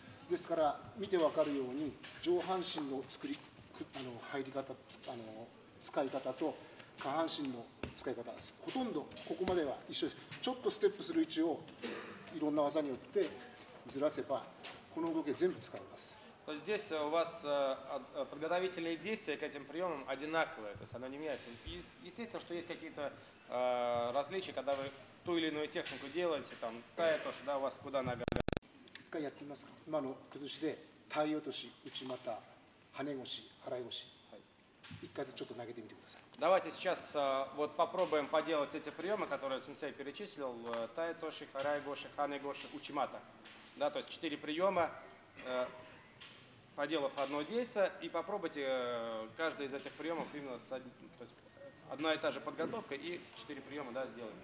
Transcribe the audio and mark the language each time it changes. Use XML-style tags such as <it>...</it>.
<ja>ですから見て分かるように上半身の作り、あの入り方、あの使い方と下半身の使い方、ほとんどここまでは一緒です。ちょっとステップする位置をいろんな技によってずらせば、この動き全部使えます。</ja> <ru>То есть здесь у вас подготовительные действия к этим приемам одинаковые, то есть оно не меняется. Естественно, что есть какие-то различия, когда вы ту или иную технику делаете, там, таятоши, да, у вас куда нога.</ru> <ja>やってみますか。今の崩しで体落とし、内股、跳ね腰、払い腰。 и когда что-то нагадим дюмаса.</ja> <ru>Давайте сейчас вот попробуем поделать эти приемы, которые сенсей перечислил. Тайтоши, харайгоши, ханайгоши, учимата. Да, то есть четыре приема, поделав одно действие, и попробуйте каждый из этих приемов именно с одним, то есть одна и та же подготовка и четыре приема, да, сделаем.</ru>